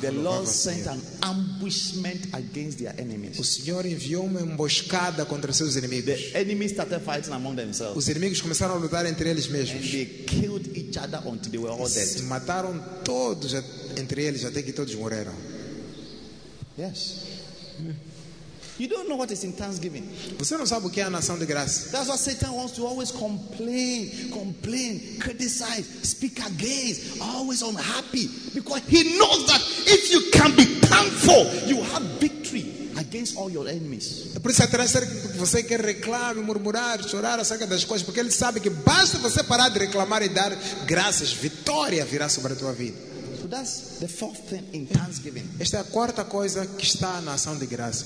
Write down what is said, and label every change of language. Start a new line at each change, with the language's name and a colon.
English: the Lord sent an ambushment against their enemies.
Portuguese: O Senhor enviou uma emboscada contra seus inimigos.
English: The enemies started fighting among themselves.
Portuguese: Os inimigos começaram a lutar entre eles mesmos.
English: And they killed each other until they were all dead.
Portuguese: Mataram todos entre eles até que todos morreram.
English: Yes. You don't know what is in Thanksgiving.
Portuguese: Você não sabe o que é a nação de graça.
English: That's why Satan wants to always complain, complain, criticize, speak against, always unhappy, because he knows that if you can be thankful, you have victory against all your enemies.
Portuguese: Por isso é que você quer reclamar, murmurar, chorar acerca das coisas, porque ele sabe que basta você parar de reclamar e dar graças, vitória virá sobre a tua vida.
English: That's the fourth thing in Thanksgiving.
Portuguese: Esta é a quarta coisa que está na ação de graça.